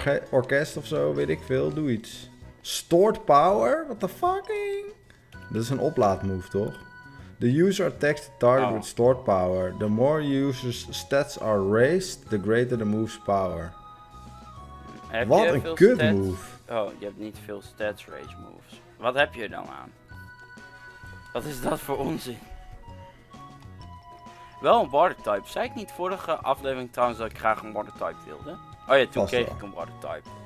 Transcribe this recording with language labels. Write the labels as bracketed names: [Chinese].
[Dutch] Orkest of zo, weet ik veel. Doe iets. Stored power? [English] What the fucking? [Dutch] Dat is een oplaadmove, toch? [English] The user attacks the target with stored power. The more user's stats are raised, the greater the move's power. [Dutch] Wat een kut move. Oh, je hebt niet veel stats raised moves. Wat heb je dan aan? Wat is dat voor onzin? Wel een water type. Zei ik niet vorige aflevering trouwens dat ik graag een water type wilde? Oh ja, toen kreeg ik een water type.